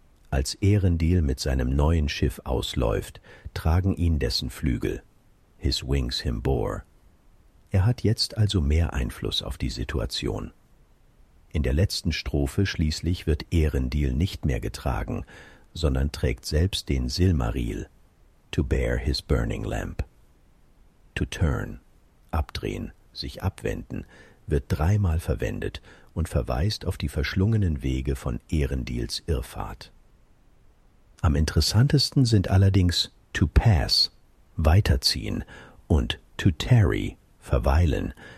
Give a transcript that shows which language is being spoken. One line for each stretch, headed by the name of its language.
German: Als Erendil mit seinem neuen Schiff ausläuft, tragen ihn dessen Flügel.
English: His wings him bore.
German: Er hat jetzt also mehr Einfluss auf die Situation. In der letzten Strophe schließlich wird Erendil nicht mehr getragen, sondern trägt selbst den Silmaril.
English: To bear his burning lamp.
German: To turn, abdrehen, sich abwenden, wird 3-mal verwendet und verweist auf die verschlungenen Wege von Erendils Irrfahrt. Am interessantesten sind allerdings to pass, weiterziehen, und to tarry, verweilen.